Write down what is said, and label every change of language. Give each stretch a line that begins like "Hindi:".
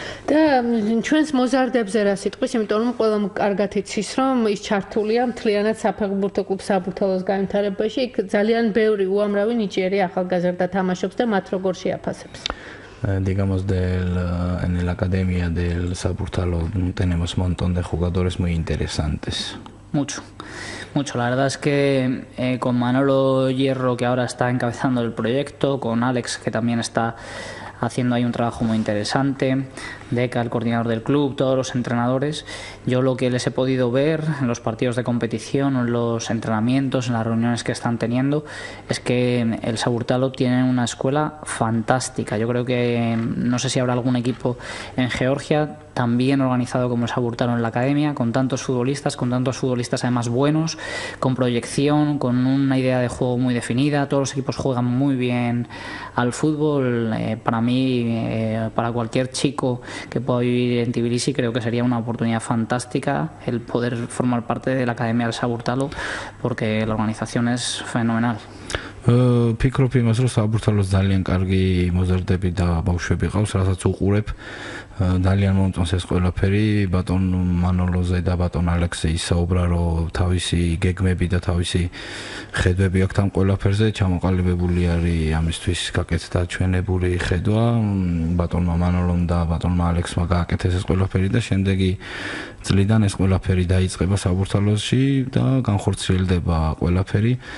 Georgian: Да, ჩვენს მოზარდებზე რა სიტყვის, იმიტომ რომ ყველამ კარგად იცის, რომ ის ჩართულია მთლიანად საფეხბურთო კლუბ საბურთალოს განვითარებაში, იქ ძალიან ბევრი უამრავი ნიჭიერი ახალგაზრდა თამაშობს და მათ როგორ შეაფასებს.
Spanish: Digamos del en la academia del Saburtalo tenemos montón de jugadores muy interesantes. Mucho. Mucho, la verdad es que con Manolo Hierro, que ahora está encabezando el proyecto, con Alex, que también está haciendo ahí un trabajo muy interesante, Deca, el coordinador del club, todos los entrenadores, yo lo que les he podido ver en los partidos de competición, en los entrenamientos, en las reuniones que están teniendo, es que el Saburtalo tiene una escuela fantástica. Yo creo que, no sé si habrá algún equipo en Georgia tan bien organizado como el Saburtalo en la academia, con tantos futbolistas además buenos, con proyección, con una idea de juego muy definida, todos los equipos juegan muy bien al fútbol, para mí, para cualquier chico que pueda vivir en Tbilisi, creo que sería una oportunidad fantástica el poder formar parte de la Academia del Saburtalo, porque la organización es fenomenal.
Georgian: Ფიქრობ იმას, რომ საბურთალოს ძალიან კარგი მოზარდები და ბავშვები ყავს, რასაც უყურებ. ძალიან მომწონს ეს ყველაფერი, ბატონ მანოლოზე და ბატონ ალექსე ისაუბრა, რომ თავისი გეგმები და თავისი ხედვები აქვს ამ ყველაფერზე, ჩამოყალიბებული არის ამისთვის გაკეთდა ჩვენებური ხედვა, ბატონმა მანოლომ და ბატონმა ალექსმა გააკეთეს ეს ყველაფერი და შემდეგი წლიდან ეს ყველაფერი დაიწყება საბურთალოში და განხორციელდება ყველაფერი.